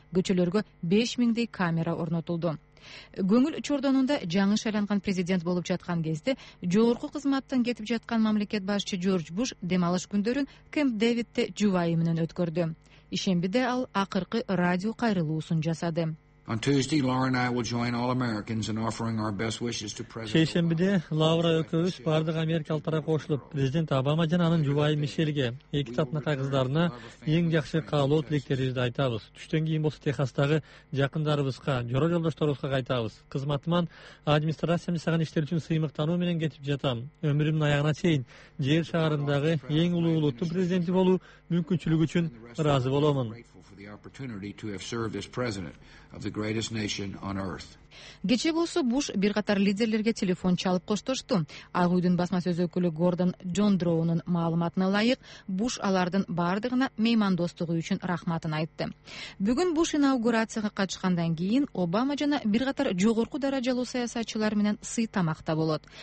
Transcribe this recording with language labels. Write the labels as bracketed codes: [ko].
[ky] Көчөлөргө 5000дей камера орнотулду. Көңүл чордонунда жаңы шайланган президент болуп жаткан кезде жогорку кызматтан кетип жаткан мамлекет башчы Джордж Буш дем алыш күндөрүн Кэмп Дэвидте жубайы менен өткөрдү. Ишембиде ал акыркы радио кайрылуусун жасады. [en] On Tuesday, Laura and I will join all Americans in offering our best wishes to President. [ky] Шейшембиде Лаура экөөбүз бардык Америкалык тарап кошулуп, президент Обама жана анын жубайы Мишельге, эки таптын кайгыздарына эң жакшы каалоо тилектерибизди айтабыз. Түштөн кийин болсо Техастагы жакындарыбызга, жорол жолдошторубузга кайтабыз. Кызматыман администрациям жасаган иштер үчүн сыймыктануу менен кетип жатам. Өмүрүмдүн аягына чейин жер шаарындагы эң улуу улуттун президенти болуу мүмкүнчүлүгү үчүн ыраазы боломун. [en] The opportunity to have served as president of the greatest nation on earth. [ky] Кече болсо Буш бир катар лидерлерге телефон чалып коштошту. Ак үйдүн басма сөз өкүлү Гордон Джондроунун маалыматына ылайык, Буш алардын баардыгына меймандостугу үчүн рахматын айтты. Бүгүн Буш инаугурацияга катышкандан кийин Обама жана бир катар жогорку даражалуу саясатчылар менен сый тамакта болот.